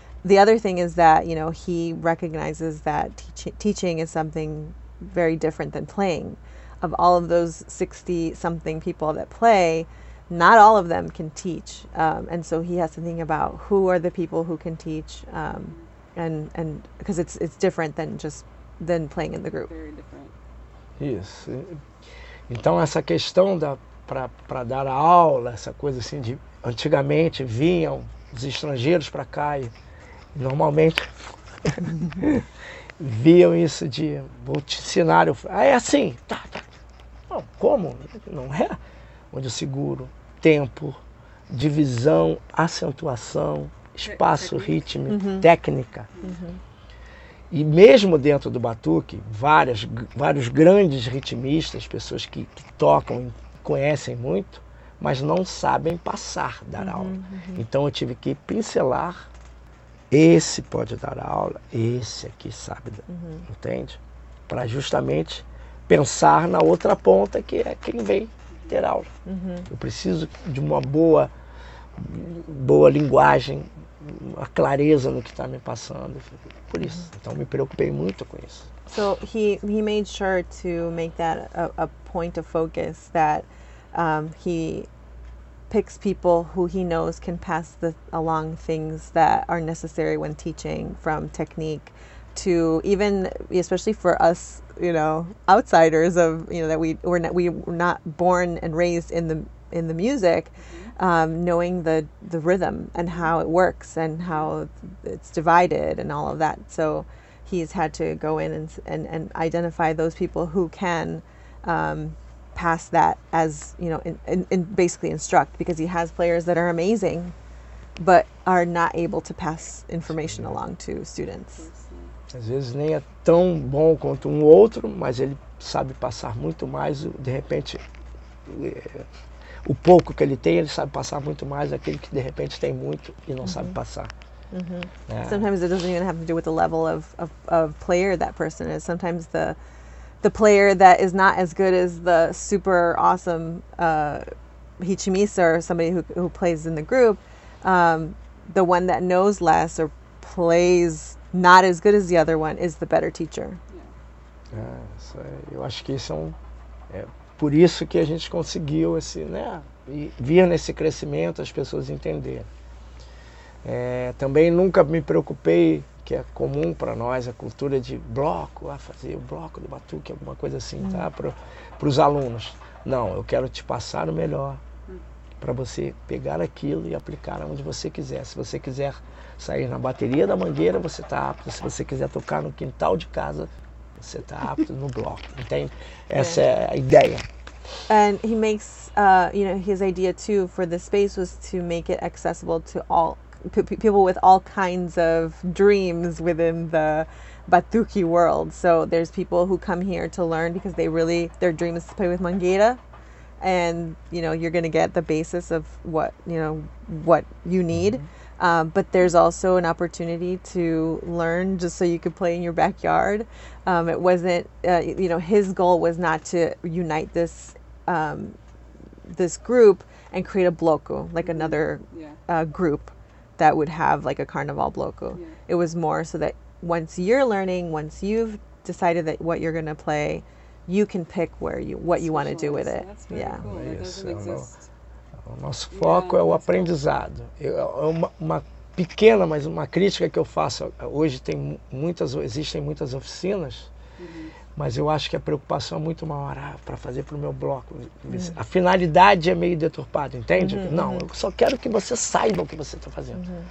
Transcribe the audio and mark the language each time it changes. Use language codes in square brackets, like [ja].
[en] The other thing is that, you know, he recognizes that teaching is something very different than playing. Of all of those 60 something people that play, not all of them can teach. And so he has to think about who are the people who can teach. And because it's different than just than playing in the group. Very different. [pt] Isso. Então essa questão da para dar a aula, essa coisa assim de antigamente vinham os estrangeiros para cá e normalmente viam isso de vou te ensinar, é assim, tá. Não, como? Não é onde eu seguro tempo, divisão, acentuação, espaço, ritmo, técnica. E mesmo dentro do batuque, vários grandes ritmistas, pessoas que tocam e conhecem muito, mas não sabem passar, dar aula. Então eu tive que pincelar, esse pode dar aula, esse aqui sabe, entende? Para justamente pensar na outra ponta, que é quem vem ter aula. Eu preciso de uma boa linguagem, a clareza no que está me passando, por isso. Então me preocupei muito com isso. [en] So he made sure to make that a point of focus, that he picks people who he knows can pass along things that are necessary when teaching, from technique to even, especially for us, you know, outsiders of, you know, that we were not born and raised in the music. Knowing the rhythm and how it works and how it's divided and all of that, so he's had to go in and identify those people who can pass that, as you know, in basically instruct, because he has players that are amazing, but are not able to pass information along to students. [pt] Às vezes nem é tão bom quanto outro, mas ele sabe passar muito mais. De repente, o pouco que ele tem, ele sabe passar muito mais aquele que de repente tem muito e não sabe passar. [en] Sometimes it doesn't even have to do with the level of player that person is. Sometimes the player that is not as good as the super awesome hichimisa or somebody who plays in the group, the one that knows less or plays not as good as the other one is the better teacher. [pt] Eu acho que isso é por isso que a gente conseguiu esse, né, vir nesse crescimento, as pessoas entenderem. Também nunca me preocupei, que é comum para nós, a cultura de bloco, fazer o bloco do batuque, alguma coisa assim, tá? Para os alunos. Não, eu quero te passar o melhor, para você pegar aquilo e aplicar onde você quiser. Se você quiser sair na bateria da mangueira, você está apto. Se você quiser tocar no quintal de casa, você está apto no bloco, entende? Essa é a ideia. [en] And he makes, you know, his idea too for the space was to make it accessible to all people with all kinds of dreams within the batuque world. So there's people who come here to learn because they really, their dream is to play with mangueira. And, you know, you're going to get the basis of what, you know, what you need. But there's also an opportunity to learn just so you could play in your backyard. It wasn't, you know, his goal was not to unite this this group and create a bloco, like another group that would have like a carnival bloco. Yeah. It was more so that once you're learning, once you've decided that what you're going to play, you can pick where you what you want to do with it. [pt] O nosso foco é o aprendizado. É uma pequena, mas uma crítica que eu faço. Hoje tem existem muitas oficinas, mas eu acho que a preocupação é muito maior para fazer para o meu bloco. A finalidade é meio deturpada, entende? Não, eu só quero que você saiba o que você está fazendo.